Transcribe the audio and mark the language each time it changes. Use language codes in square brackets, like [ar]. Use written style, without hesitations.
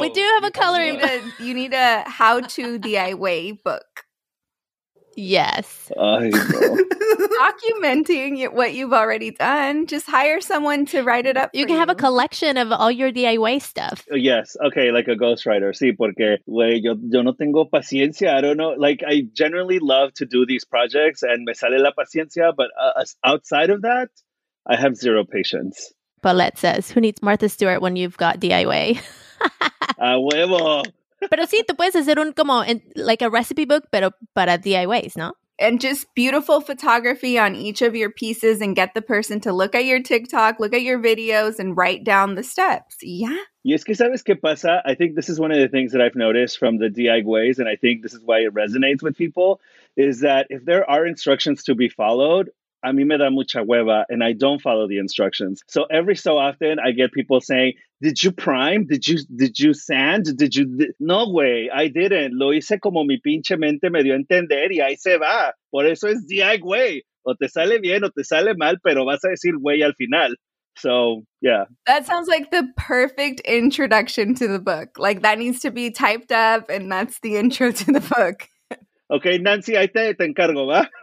[en] We do have a coloring book. You need a how-to DIY book. Yes. I know. Documenting what you've already done. Just hire someone to write it up. You can have a collection of all your DIY stuff. Yes. Okay, like a ghostwriter. [es] Sí, porque, güey, yo no tengo paciencia. [en] I don't know. Like, I generally love to do these projects and [es] me sale la paciencia, [en] but outside of that, I have zero patience. Paulette says, who needs Martha Stewart when you've got DIY? [es] A huevo. Pero sí, tú puedes hacer un como, [en] like a recipe book, [es] pero para DIYs, ¿no? [en] And just beautiful photography on each of your pieces and get the person to look at your TikTok, look at your videos and write down the steps. Yeah. [es] Y es que sabes qué pasa? [en] I think this is one of the things that I've noticed from the DIYs, and I think this is why it resonates with people, is that if there are instructions to be followed, [es] a mí me da mucha hueva [en] and I don't follow the instructions. So every so often I get people saying, did you prime? Did you sand? No way, I didn't. [es] Lo hice como mi pinche mente me dio a entender y ahí se va. Por eso es DIY. O te sale bien o te sale mal, pero vas a decir güey al final. [en] So, yeah. That sounds like the perfect introduction to the book. Like that needs to be typed up and that's the intro to the book. [es] Okay, Nancy, ahí te encargo, ¿va?